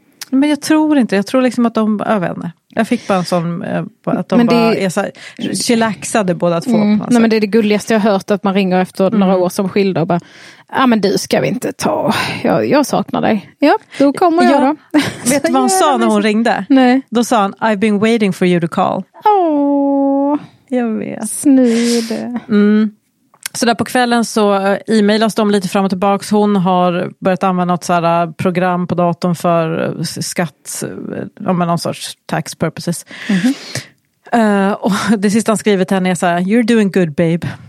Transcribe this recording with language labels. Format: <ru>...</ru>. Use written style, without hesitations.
<sv>Men jag tror inte, jag tror liksom att de övervänner. Jag fick bara en sån, att de det, bara är så här, chillaxade båda två. Mm, nej, men det är det gulligaste jag har hört, att man ringer efter några år som skilda och bara, ja men du ska vi inte ta, jag saknar dig. Ja, då kommer jag då. Vet du vad hon sa när hon ringde? Nej. Då sa han,</sv> <en>I've been waiting for you to call.</en> <sv>Åh, jag vet. Snyd. Mm. Så där på kvällen så e-mailas de lite fram och tillbaka. Hon har börjat använda något så här program på datorn för skatt, om någon sorts tax purposes. Mm-hmm. Och det sista han skriver till henne är så här,</sv> <en>you're doing good babe.</en>